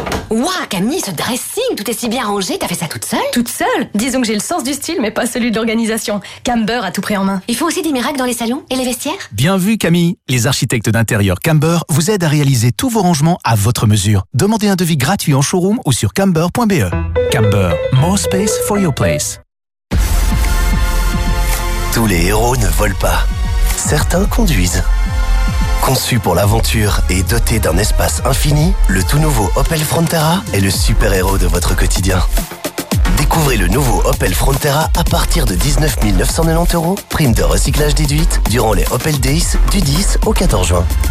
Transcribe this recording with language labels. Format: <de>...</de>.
<fr>Ouah, wow, Camille, ce dressing, tout est si bien rangé, t'as fait ça toute seule? Toute seule? Disons que j'ai le sens du style, mais pas celui de l'organisation. Camber a tout pris en main. Ils font aussi des miracles dans les salons et les vestiaires? Bien vu, Camille. Les architectes d'intérieur Camber vous aident à réaliser tous vos rangements à votre mesure. Demandez un devis gratuit en showroom ou sur camber.be.</fr> <en>Camber, more space for your place.</en> <fr>Tous les héros ne volent pas. Certains conduisent. Conçu pour l'aventure et doté d'un espace infini, le tout nouveau Opel Frontera est le super-héros de votre quotidien. Découvrez le nouveau Opel Frontera à partir de 19 990 euros, prime de recyclage déduite, durant les Opel Days du 10 au 14 juin.</fr>